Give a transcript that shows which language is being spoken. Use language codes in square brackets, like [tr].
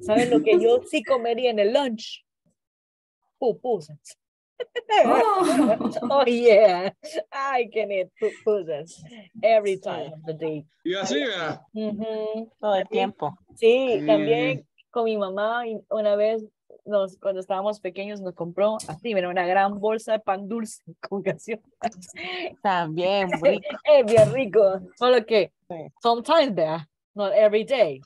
[es] ¿Saben lo que yo sí comería en el lunch? [en] Pupusas. Oh. Oh, yeah. I can eat pupusas every time of the day. [es] Y así, ¿verdad? Uh-huh. Todo el tiempo. Sí, también. con mi mamá y una vez nos, cuando estábamos pequeños, nos compró así, mira, una gran bolsa de pan dulce con gaseosa. También, es bien rico. Solo que, [en] sometimes, [es] ¿verdad? [en] Not every day.